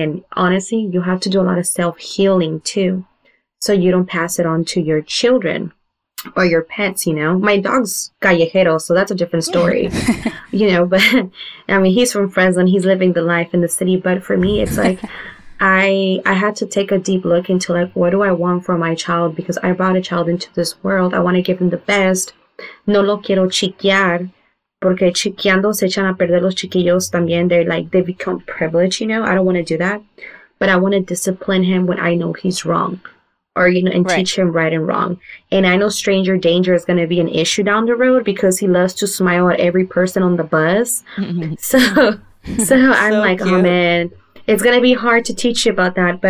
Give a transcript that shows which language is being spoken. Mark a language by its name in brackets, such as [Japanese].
[English] And honestly, you have to do a lot of self-healing too, so you don't pass it on to your children or your pets, you know. My dog's callejero, so that's a different story, you know. But, I mean, he's from Fresno. He's living the life in the city. But for me, it's like I had to take a deep look into, like, what do I want for my child? Because I brought a child into this world. I want to give him the best. [Spanish] No lo quiero chiquear, porque chiqueando se echan a perder los chiquillos también. [English] They're like, they become privileged, you know. I don't want to do that. But I want to discipline him when I know he's wrong. Or, you know, and teach him right and wrong. And I know stranger danger is going to be an issue down the road because he loves to smile at every person on the bus. So I'm so like, cute. Oh, man, it's going to be hard to teach you about that.